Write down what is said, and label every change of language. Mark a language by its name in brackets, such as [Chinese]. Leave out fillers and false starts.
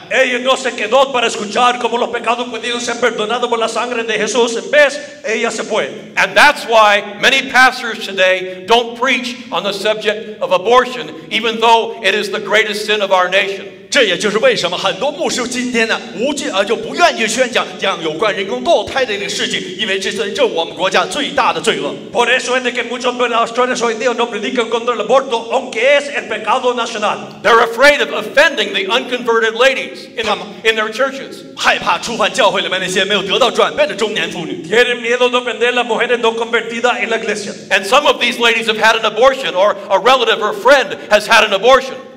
[Spanish] Ella no se quedó para escuchar cómo los pecados pudieron ser perdonados por la sangre de Jesús. En vez, ella se fue. [English] And that's why many pastors today don't preach on the subject of abortion, even though it is the greatest sin of our nation. [Chinese] 这也就是为什么很多牧师今天呢，无惧而就不愿意宣讲这样有关人工堕胎的这个事情，因为这是我们国家最大的罪恶。 [Spanish] Por eso es que muchos de los pastores hoy día no predican contra el aborto, aunque es el pecado nacional. [English] They're afraid of offending the unconverted ladies in their churches. [Chinese] 害怕触犯教会里面那些没有得到转变的中年妇女。 [Spanish] Tienen miedo de ofender las mujeres no convertidas en la iglesia. [English] And some of these ladies have had an abortion, or a relative or friend has had an abortion.